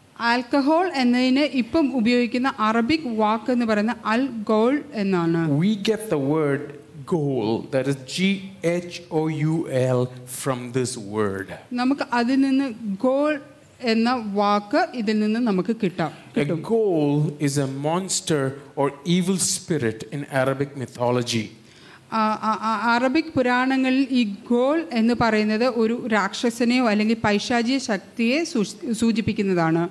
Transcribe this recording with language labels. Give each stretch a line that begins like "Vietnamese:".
Malayalam: alcohol എന്നതിനെ ഇപ്പം ഉപയോഗിക്കുന്ന അറബിക് വാക്ക് എന്ന് പറയുന്ന അൽ ഗോൾ എന്നാണ്
English: We get the word ghoul that is G H O U L from this word
Malayalam: നമുക്ക് അതിൽ നിന്ന് ഗോൾ എന്ന വാക്ക് ഇതിൽ നിന്ന് നമുക്ക് കിട്ടാം
English: A ghoul is a monster or evil spirit in Arabic mythology
Malayalam: Arabic പുരാണങ്ങളിൽ ഈ ഗോൾ എന്ന് പറയുന്നത് ഒരു രാക്ഷസനെയോ അല്ലെങ്കിൽ പൈശാചിക ശക്തിയെ സൂചിപ്പിക്കുന്നതാണ്